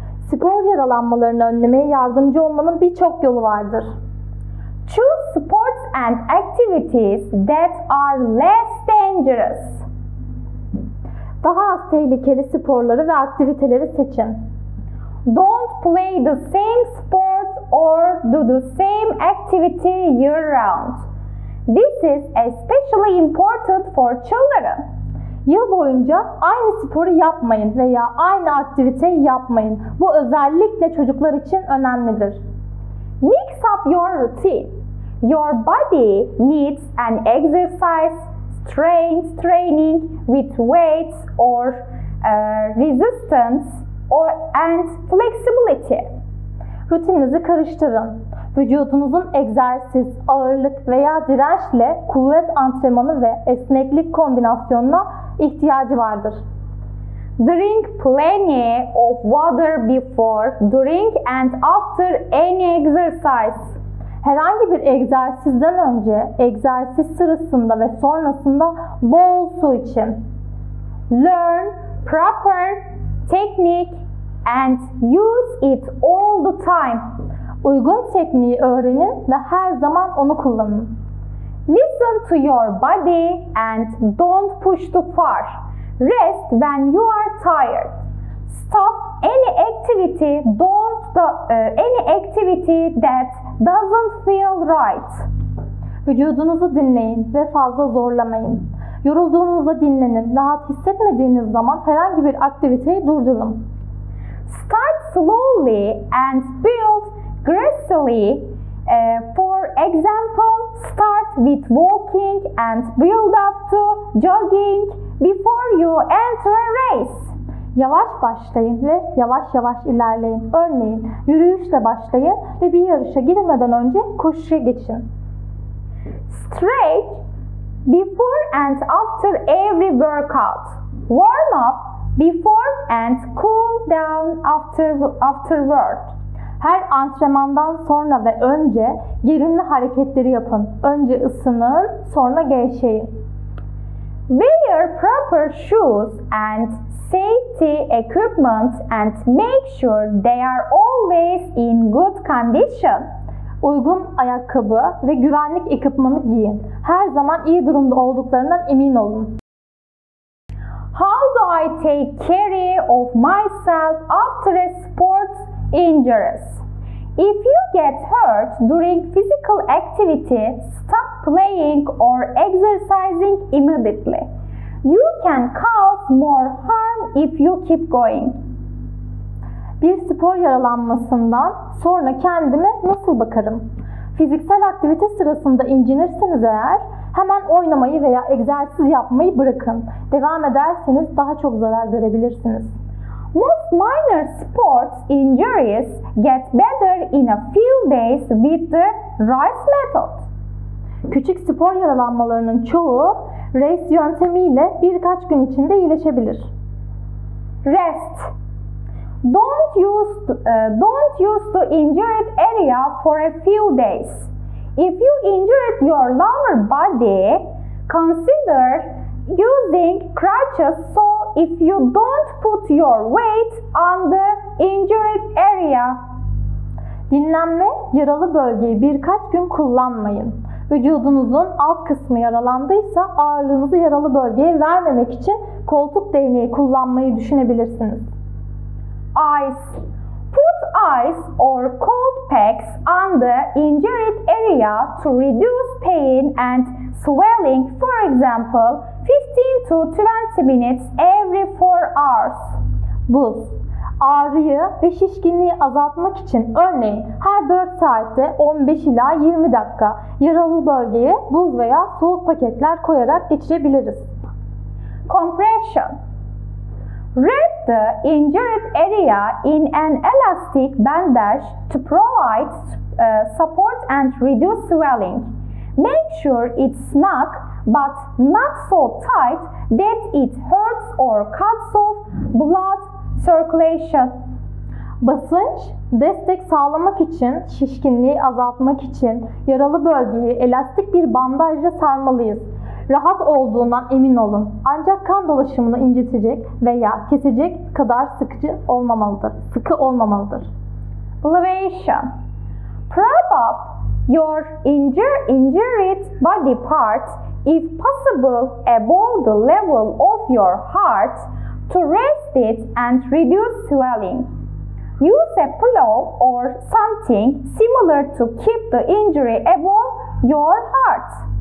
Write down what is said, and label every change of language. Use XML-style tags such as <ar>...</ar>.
<tr>Spor yaralanmalarını önlemeye yardımcı olmanın birçok yolu vardır.</tr> <en>Choose sports and activities that are less dangerous.</en> <tr>Daha az tehlikeli sporları ve aktiviteleri seçin.</tr> <en>Don't play the same sport or do the same activity year-round. This is especially important for children.</en> <tr>Yıl boyunca aynı sporu yapmayın veya aynı aktiviteyi yapmayın. Bu özellikle çocuklar için önemlidir.</tr> <en>Mix up your routine. Your body needs an exercise, strength training with weights or resistance or and flexibility.</en> <tr>Rutininizi karıştırın. Vücudunuzun egzersiz, ağırlık veya dirençle kuvvet antrenmanı ve esneklik kombinasyonuna ihtiyacı vardır.</tr> <en>Drink plenty of water before, during and after any exercise.</en> <tr>Herhangi bir egzersizden önce, egzersiz sırasında ve sonrasında bol su için.</tr> <en>Learn proper technique and use it all the time.</en> <tr>Uygun tekniği öğrenin ve her zaman onu kullanın.</tr> <en>Listen to your body and don't push too far. Rest when you are tired. Stop any activity that doesn't feel right.</en> <tr>Vücudunuzu dinleyin ve fazla zorlamayın. Yorulduğunuzda dinlenin. Rahat hissetmediğiniz zaman herhangi bir aktiviteyi durdurun.</tr> <en>Start slowly and build gracefully. For example, start with walking and build up to jogging before you enter a race.</en> <tr>Yavaş başlayın ve yavaş yavaş ilerleyin. Örneğin, yürüyüşle başlayın ve bir yarışa girmeden önce koşuya geçin.</tr> <en>Stretch before and after every workout. Warm up before and cool down afterward.</en> <tr>Her antrenmandan sonra ve önce gerinme hareketleri yapın. Önce ısının, sonra gevşeyin.</tr> <en>Wear proper shoes and safety equipment and make sure they are always in good condition.</en> <tr>Uygun ayakkabı ve güvenlik ekipmanı giyin. Her zaman iyi durumda olduklarından emin olun.</tr> <en>How do I take care of myself after a sports injury? If you get hurt during physical activity, stop playing or exercising immediately. You can cause more harm if you keep going.</en> <tr>Bir spor yaralanmasından sonra kendime nasıl bakarım? Fiziksel aktivite sırasında incinirseniz eğer, hemen oynamayı veya egzersiz yapmayı bırakın. Devam ederseniz daha çok zarar görebilirsiniz.</tr> <en>Most minor sports injuries get better in a few days with the RICE method.</en> <tr>Küçük spor yaralanmalarının çoğu RICE yöntemiyle birkaç gün içinde iyileşebilir.</tr> <en>Rest. Don't use the injured area for a few days. If you injured your lower body, consider using crutches so if you don't put your weight on the injured area.</en> <tr>Dinlenme yaralı bölgeyi birkaç gün kullanmayın. Vücudunuzun alt kısmı yaralandıysa ağırlığınızı yaralı bölgeye vermemek için koltuk değneği kullanmayı düşünebilirsiniz.</tr> <en>Ice. Put ice or cold packs on the injured area to reduce pain and swelling, for example, 15 to 20 minutes every 4 hours.</en> <tr>Buz. Ağrıyı ve şişkinliği azaltmak için örneğin her 4 saatte 15 ila 20 dakika yaralı bölgeye buz veya soğuk paketler koyarak geçirebiliriz.</tr> <en>Compression. Wrap the injured area in an elastic bandage to provide support and reduce swelling. Make sure it's snug but not so tight that it hurts or cuts off blood circulation.</en> <tr>Basınç, destek sağlamak için, şişkinliği azaltmak için yaralı bölgeyi elastik bir bandajla sarmalıyız. Rahat olduğundan emin olun. Ancak kan dolaşımını incitecek veya kesecek kadar sıkıcı olmamalıdır. Sıkı olmamalıdır.</tr> <en>Elevation. Prop up your injured body part if possible above the level of your heart to rest it and reduce swelling. Use a pillow or something similar to keep the injury above your heart.</en>